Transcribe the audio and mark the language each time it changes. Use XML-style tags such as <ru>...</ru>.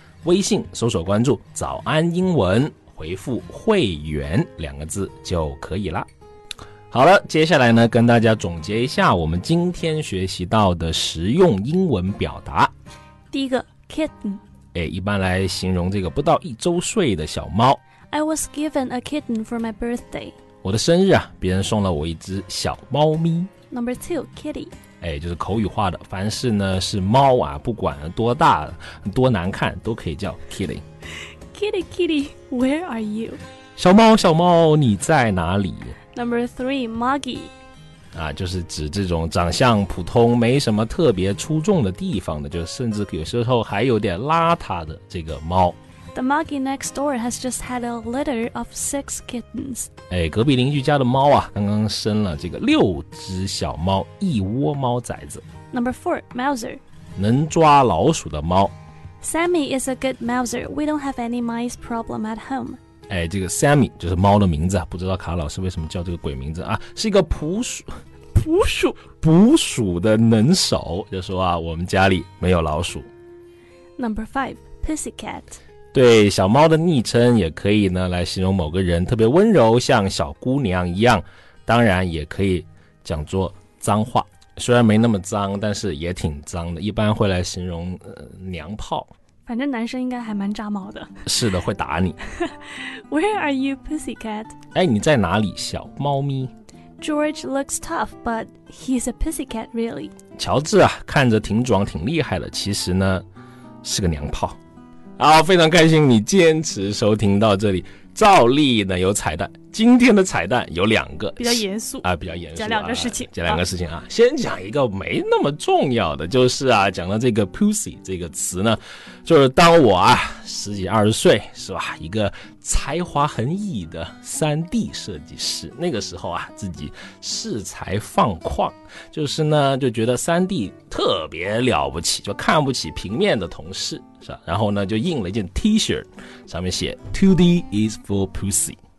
<zh>微信搜索关注早安英文，回复会员两个字就可以了。好了，接下来呢跟大家总结一下我们今天学习到的实用英文表达。第一个 kitten，一般来形容这个不到一周岁的小猫。</zh> <en>I was given a kitten for my birthday，</en> <zh>我的生日啊，别人送了我一只小猫咪。</zh> <en>Number two， kitty，</en> <zh>就是口语化的，凡事呢是猫啊，不管多大多难看都可以叫 kitty。</zh> <en>Kitty kitty where are you，</en> <zh>小猫小猫你在哪里。</zh> <en>Number three, Moggy，</en> <zh>就是指这种长相普通没什么特别出众的地方的，就甚至有时候还有点邋遢的这个猫。</zh> <en>The Moggy next door has just had a litter of six kittens。</en> <zh>隔壁邻居家的猫啊刚刚生了这个六只小猫，一窝猫崽子。</zh> <en>Number four, Mouser，</en> <zh>能抓老鼠的猫。</zh> <en>Sammy is a good mouser. We don't have any mice problem at home。</en> <zh>这个 Sammy 就是猫的名字，不知道卡老师为什么叫这个鬼名字啊，是一个捕鼠的能手，就说啊我们家里没有老鼠。</zh> <en>Number five, pussycat，</en> <zh>对，小猫的昵称，也可以呢来形容某个人特别温柔像小姑娘一样，当然也可以讲作脏话，虽然没那么脏但是也挺脏的，一般会来形容娘炮，反正男生应该还蛮炸毛的。是的，会打你。</zh> <en>Where are you, pussycat?</en> <zh>你在哪里，小猫咪。</zh> <en>George looks tough, but he's a pussycat, really.</en> <zh>乔治啊，看着挺壮挺厉害的，其实呢，是个娘炮。好，非常开心你坚持收听到这里。照例呢有彩蛋，今天的彩蛋有两个，比较严肃比较严肃，讲两个事情，讲两个事情啊。先讲一个没那么重要的，就是啊，讲到这个 pussy 这个词呢，就是当我啊十几二十岁是吧，一个才华横溢的 3D 设计师，那个时候啊自己恃才放旷，就是呢就觉得 3D 特别了不起，就看不起平面的同事是吧，然后呢就印了一件 T 恤，上面写</zh> <en>2D is for pussy。</en>